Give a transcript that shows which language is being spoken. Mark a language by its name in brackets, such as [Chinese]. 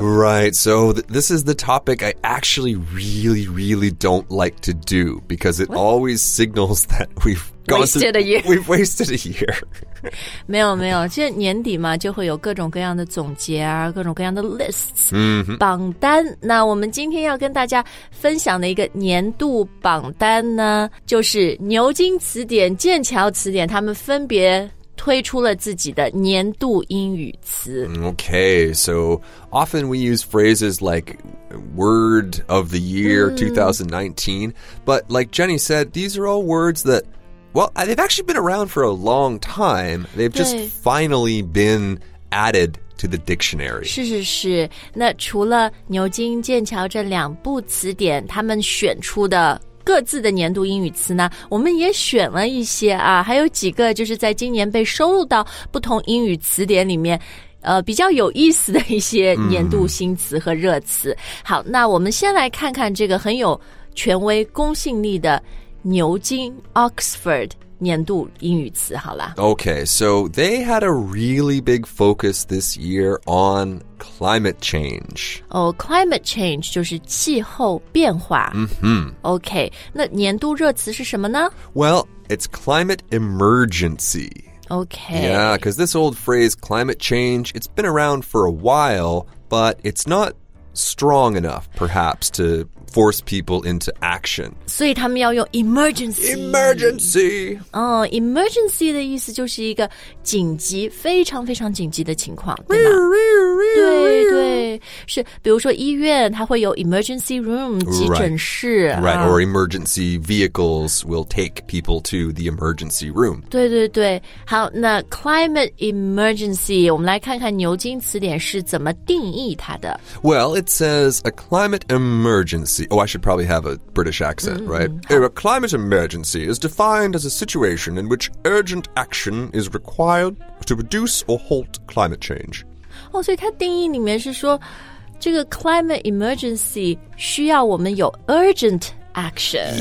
[English] Right, so this is the topic I actually really, really don't like to do because it、 What? always signals that we've wasted a year. [Chinese] 没有没有，就年底嘛，就会有各种各样的总结啊，各种各样的 lists、 mm-hmm. 榜单。那我们今天要跟大家分享的一个年度榜单呢，就是牛津词典、剑桥词典，他们分别推出了自己的年度英语词。 [English] Okay, so often we use phrases like "word of the year 2019," but like Jenny said, these are all words that. Well, they've actually been around for a long time. They've just finally been added to the dictionary. [Chinese] 是是是。那除了牛津、剑桥这两部词典，他们选出的各自的年度英语词呢，我们也选了一些啊，还有几个就是在今年被收录到不同英语词典里面，比较有意思的一些年度新词和热词。好，那我们先来看看这个很有权威公信力的牛津 Oxford 年度英语词好了。 [English] Okay, so they had a really big focus this year on climate change. [Chinese] Oh, climate change 就是气候变化。 Mm-hmm. Okay, 那年度热词是什么呢？ [English] Well, it's climate emergency. Okay. Yeah, because this old phrase climate change, it's been around for a while, but it's not strong enough, perhaps, to... force people into action. [Chinese] 所以他们要用 emergency. [English] Emergency! [Chinese] Emergency 的意思就是一个紧急，非常非常紧急的情况，对吗？对对，是，比如说医院，它会有 emergency room, 急诊室。 [English] Right, or emergency vehicles will take people to the emergency room. [Chinese] 对对对，好，那 climate emergency, 我们来看看牛津词典是怎么定义它的。 [English] Well, it says a climate emergency. Oh, I should probably have a British accent, right? A climate emergency is defined as a situation in which urgent action is required to reduce or halt climate change. Oh, so its definition is that this climate emergency needs urgent action.